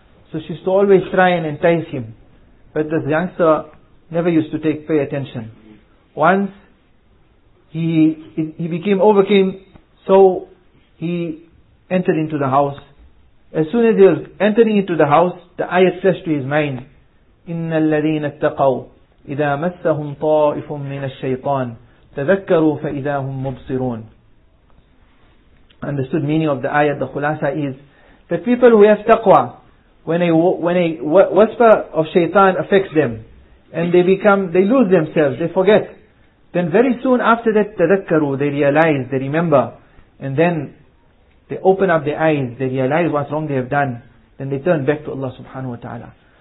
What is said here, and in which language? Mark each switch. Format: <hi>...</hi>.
<en>So she used to always try and entice him. But this youngster never used to pay attention. Once, he became overcame, so he entered into the house. As soon as he was entering into the house, the ayat flashed to his mind.</en> <ar>إن الذين اتقوا إذا مسهم طائف من الشيطان تذكروا فإذا هم مبصرون.</ar> <en>Understood meaning of the ayah, the khulasa is that people who have taqwa, when a whisper of shaitan affects them and they lose themselves, they forget, then very soon after that tadakkaru, they realize, they remember, and then they open up their eyes, they realize what wrong they have done, then they turn back to Allah subhanahu wa ta'ala.</en>